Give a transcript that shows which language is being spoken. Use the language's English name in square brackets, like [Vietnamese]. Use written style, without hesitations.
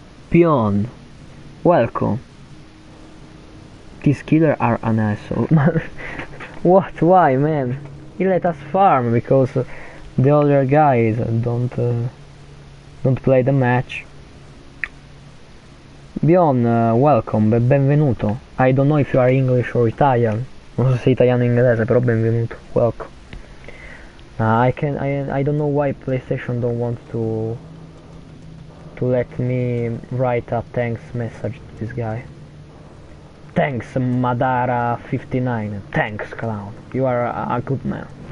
[English] Pion, welcome. These killers are an asshole. What? Why, man? He let us farm because the other guys don't play the match. Bjorn, welcome, [Italian] benvenuto. [English] I don't know if you are English or Italian. [Italian] Non so se sei italiano o inglese, però benvenuto. [English] Welcome. I don't know why PlayStation don't want to let me write a thanks message to this guy. Thanks, Madara 59. Thanks, clown. You are a good man.